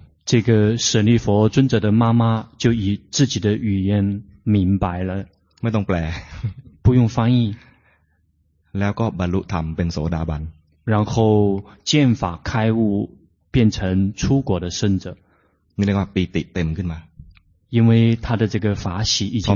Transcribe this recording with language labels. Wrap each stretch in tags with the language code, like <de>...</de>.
<zh>这个舍利弗尊者的妈妈就以自己的语言明白了，</zh> <th>ไม่ต้องแปล，</th> <zh>不用翻译，</zh> <th>แล้วก็บรรลุธรรมเป็นโสดาบัน，</th> <zh>然后见法开悟，变成出果的圣者，</zh> <th>นี่เรียกว่าปีติเต็มขึ้นมา，</th> <zh>因为他的这个法喜已经</zh>